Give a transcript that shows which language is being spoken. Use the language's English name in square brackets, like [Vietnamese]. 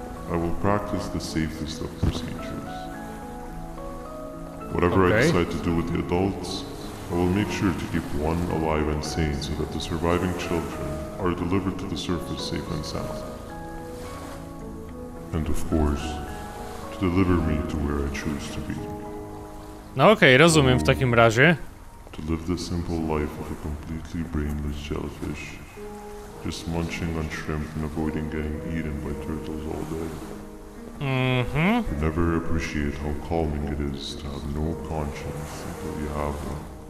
[English] I will practice the safest of procedures. Whatever okay. I decide to do with the adults, I will make sure to keep one alive and sane so that the surviving children are delivered to the surface safe and sound. And of course, to deliver me to where I choose to be. [Polish] No okej, okay, rozumiem w takim razie. [English] To live the simple life of a completely brainless jellyfish. Just munching on shrimp and avoiding getting eaten by turtles all day. Mm-hmm. You never appreciate how calming it is to have no conscience until you have one.